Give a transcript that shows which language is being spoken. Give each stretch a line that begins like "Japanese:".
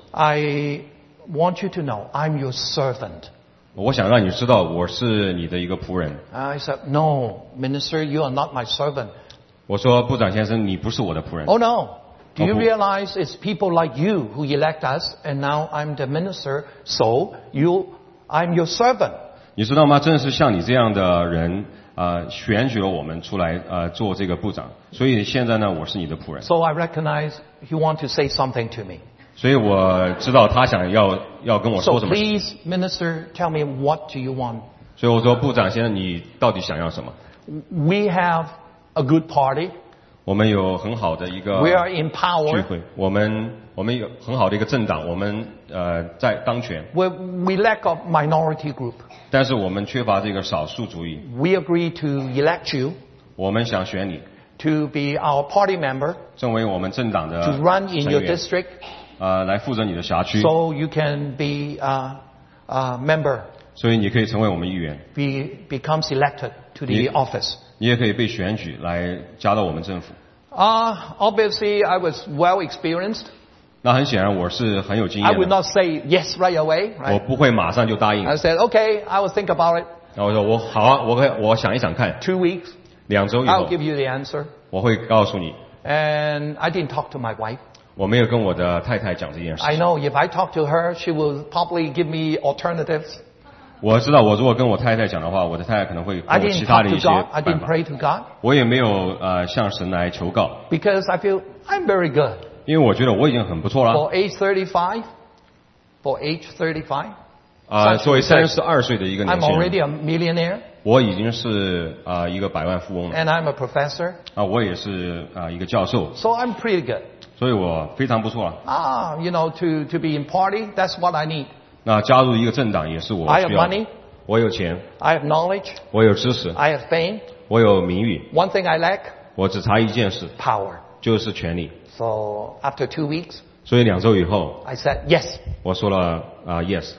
English: I want you to know I'm your servant.
Chinese: 我想让你知道我是你的一个仆人。
English: I said, No, minister, you are not my servant.
Chinese: 我说部长先生你不是我的仆人
English: Oh no Do you realize it's people like you who elect us and now I'm the minister so I'm your servant
Chinese: 你知道吗正是像你这样的人选举了我们出来做这个部长所以现在呢我是你的仆人
English: So I recognize you want to say something to me
Chinese: 所以我知道他想要跟我说什么
English: So please minister tell me what do you want
Chinese: 所以我说部长先生你到底想要什么
English: We haveA good party.
Chinese: 我们有很好的一个
English: We are in power.
Chinese: 聚会，我们有很好的一个政党，我们在当权。
English: We lack a minority group.
Chinese: 但是我们缺乏这个少数主义。
English: We agree to elect you.
Chinese: 我们想选你。
English: To be our party member.
Chinese: 成为我们政党的。
English: To run in your district.
Chinese: 来负责你的辖区。
English: So you can be a member.
Chinese: 所以你可以成为我们议员。
English: Becomes elected to the office.
Chinese: 你也可以被选举来加到我们政府。
English: Obviously I was well experienced.
Chinese: 那很显然我是很有经验的。
English: I would not say yes right away, right?
Chinese: 我不会马上就答应。
English: I said, okay, I will think about it.
Chinese: 然后我说我好啊，我想一想看。
English: 2 weeks，
Chinese: 两周以后。
English: I'll give you the answer。
Chinese: 我会告诉你。
English: And I didn't talk to my wife。
Chinese: 我没有跟我的太太讲这件事。
English: I know if I talk to her, she will probably give me alternatives。
Chinese: 我知道，我如果跟我太太讲的话，我的太太可能会给我其他的一些办法。
English: I didn't pray to God。
Chinese: 我也没有向神来求告。
English: Because I feel I'm very good。
Chinese: 因为我觉得我已经很不错了。
English: For age 35。
Chinese: 作为32岁的一个年轻人。
English: I'm already a millionaire。
Chinese: 我已经是一个百万富翁了。
English: And I'm a professor。
Chinese: 我也是一个教授。
English: So I'm pretty good。
Chinese: 所以我非常不错了。
English: You know, to be in party, that's what I need。
Chinese: 那加入一个政党也是我需要的。
English: I have money。
Chinese: 我有钱。
English: I have knowledge。
Chinese: 我有知识。
English: I have fame。
Chinese: 我有名誉。
English: One thing I lack。
Chinese: 我只差一件事。
English: Power。
Chinese: 就是权力。
English: So after 2 weeks。
Chinese: 所以两周以后
English: ，I said yes。
Chinese: 我说了yes。